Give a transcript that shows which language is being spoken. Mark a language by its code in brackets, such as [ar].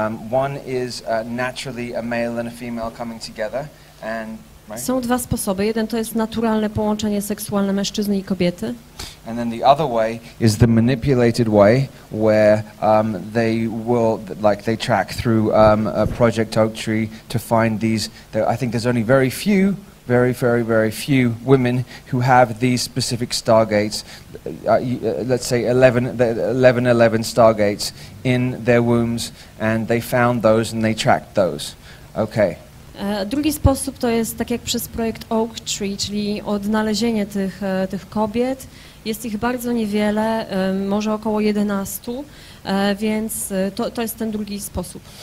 [en] One is naturally a male and a female coming together, and [pl] right? Są dwa sposoby. Jeden to jest naturalne połączenie seksualne mężczyzny i kobiety. [en] And then the other way is the manipulated way, where they will, like, they track through a Project Oak Tree to find these. I think there's only very few, very, very, very few women who have these specific stargates. Let's say 11 stargates in their wombs, and they found those and they tracked those. Okay. [pl] Drugi sposób to jest tak jak przez projekt Oak Tree, czyli odnalezienie tych kobiet. Jest ich bardzo niewiele, może około 11, więc to jest ten drugi sposób.